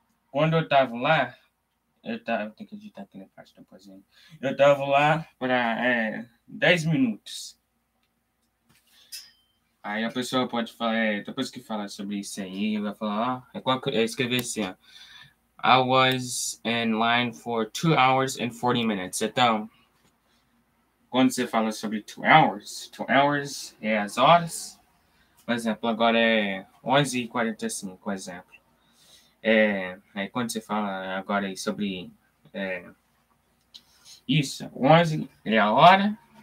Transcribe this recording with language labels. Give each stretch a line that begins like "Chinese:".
Portuguese: Quando eu tava lá, eu tava. Tem que editar aqui na parte do aposento. Eu tava lá pra 10 minutos. Aí a pessoa pode falar, depois que falar sobre isso aí, vai falar, oh, escrever assim, ó.
English: I was in line for 2 hours and 40 minutes.
Portuguese: Então, quando você fala sobre 2 hours, 2 hours é as horas. Por exemplo, agora é 11h45, por exemplo. Aí quando você fala agora sobre isso, 11 é a hora.